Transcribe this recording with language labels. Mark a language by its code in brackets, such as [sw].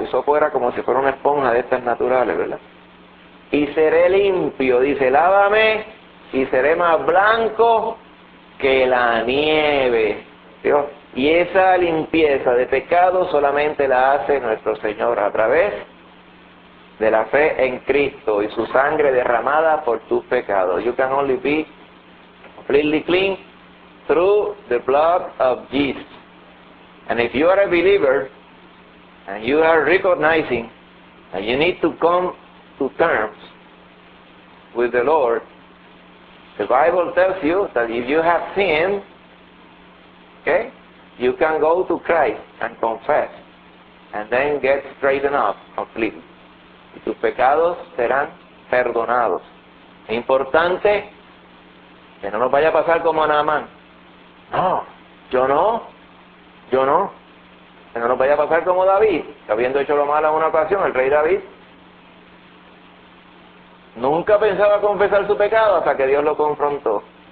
[es] Hisopo era como si fuera una esponja de estas naturales, ¿verdad? Y seré limpio, dice, lávame y seré más blanco que la nieve. Dios. Y esa limpieza de pecado solamente la hace nuestro Señor a través de la fe en Cristo y su sangre derramada por tus pecados. [en] You can only be completely clean through the blood of Jesus. And if you are a believer and you are recognizing that you need to come to terms with the Lord, the Bible tells you that if you have sinned, okay, you can go to Christ and confess and then get straightened up completely. [es] Tus pecados serán perdonados. Es importante que no nos vaya a pasar como a Naamán. No, yo no, yo no. Que no nos vaya a pasar como David, que habiendo hecho lo malo en una ocasión, el rey David nunca pensaba confesar su pecado hasta que Dios lo confrontó.